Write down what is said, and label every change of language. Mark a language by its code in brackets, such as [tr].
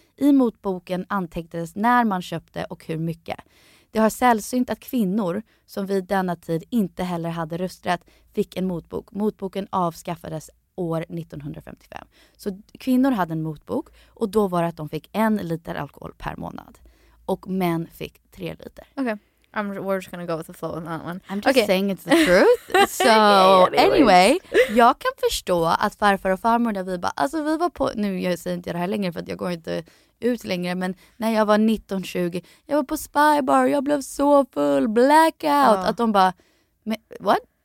[sv] I motboken antecknades när man köpte och hur mycket. Det har sällsynt att kvinnor som vid denna tid inte heller hade rösträtt fick en motbok. Motboken avskaffades år 1955. Så kvinnor hade en motbok och då var det att de fick 1 liter alkohol per månad. Och män fick 3 liter. [en] Okay, we're just gonna go with the flow on that one. I'm just saying it's the truth. So anyway, [sv] jag kan förstå att farfar och farmor där vi bara, alltså vi var på, nu jag säger inte det här längre för att jag går inte ut längre, men när jag var 1920, jag var på spybar, jag blev så full, blackout, att de bara, what?